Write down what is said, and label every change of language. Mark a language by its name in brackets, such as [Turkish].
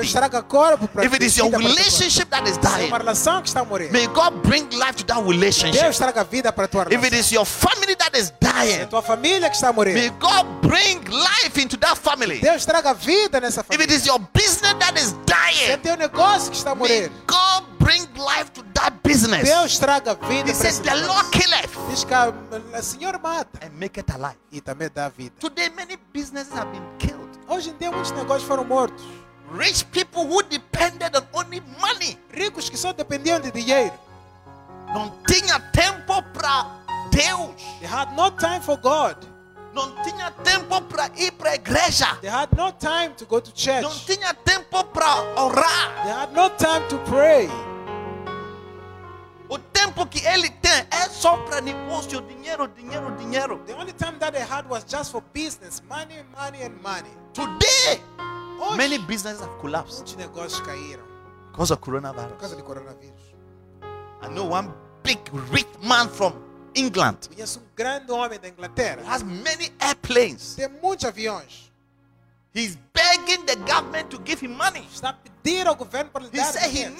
[Portuguese] Deus traga corpo para [English] if it is your relationship that is dying, [Portuguese] uma relação que está a morrer, [English] may God bring life to that relationship. [Portuguese] Deus traga vida para tua relação. [English] If it is your family that is dying, [Portuguese] tua família que está a morrer, [English] may God bring life into that family. [Portuguese] Deus traga vida nessa. [English] If it is your business that is dying, [Portuguese] se é teu negócio que está a morrer, [English] may God bring life to that business. [Portuguese] Deus traga vida. [English] He says, the Lord killeth. [Portuguese] Diz que o Senhor mata. [English] And make it alive. [Portuguese] E também dá vida. [English] Today many businesses have been killed. [Portuguese] Hoje em dia muitos negócios foram mortos. [English] Rich people who depended on only money. [Portuguese] Ricos que só dependiam de dinheiro. Não tinha tempo para Deus. [English] They had no time for God. [Portuguese] Não tinha tempo para ir para a igreja. [English] They had no time to go to church. [Portuguese] Não tinha tempo para orar. [English] They had no time to pray. [Portuguese] O tempo que ele tem é só para negócio, dinheiro, dinheiro, dinheiro. [English] The only time that they had was just for business, money, money and money. Today, [Portuguese] hoje, [English] many businesses have collapsed. [Portuguese] Muitos negócios caíram. [English] Because of coronavirus. [Portuguese] Por causa do coronavírus. [English] I know one big rich man from England. [Portuguese] Ele é um grande homem da Inglaterra. [English] He has many airplanes. [Portuguese] Tem muitos aviões. [English] He's begging the government to give him money. [Portuguese] Está pedindo ao governo para lhe dar dinheiro.